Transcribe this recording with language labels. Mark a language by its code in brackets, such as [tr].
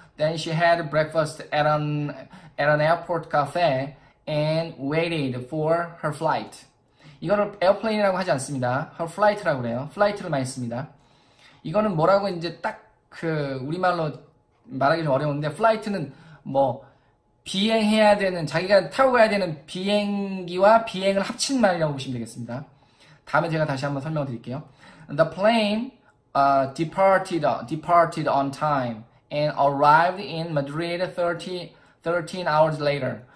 [en] Then she had breakfast at an airport cafe and waited for her flight. [ko] 이거를 에어플레인이라고 하지 않습니다. 헐 플라이트라고 그래요. 플라이트를 많이 씁니다. 이거는 뭐라고 이제 딱그 우리말로 말하기 좀 어려운데 플라이트는 뭐 비행해야 되는 자기가 타고 가야 되는 비행기와 비행을 합친 말이라고 보시면 되겠습니다. 다음에 제가 다시 한번 설명을 드릴게요. [en] The plane departed on time and arrived in Madrid 13 hours later.